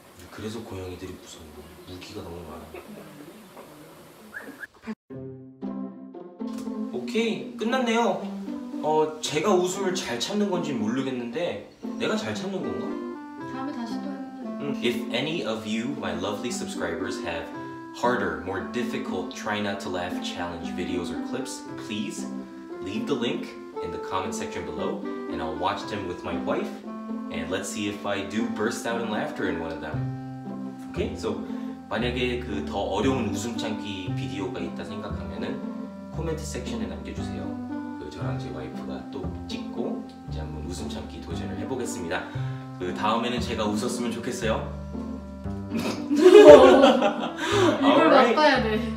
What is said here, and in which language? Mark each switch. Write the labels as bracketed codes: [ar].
[ko] 그래서 고양이들이 무서운 거. 무기가 너무 많아. 오케이, 끝났네요. 제가 웃음을 잘 찾는 건지 모르겠는데 내가 잘 찾는 건가? 다음에 다시 또 하는데. [en] If any of you, my lovely subscribers, have harder, more difficult try not to laugh challenge videos or clips, please leave the link in the comment section below, and I'll watch them with my wife, and let's see if I do burst out in laughter in one of them. Okay, so [ko] 만약에 그 더 어려운 웃음 참기 비디오가 있다 생각하면은 코멘트 섹션에 남겨주세요. 그 저랑 제 와이프가 또 찍고 이제 한번 웃음 참기 도전을 해보겠습니다. 그 다음에는 제가 웃었으면 좋겠어요. 이걸 맛봐야 돼.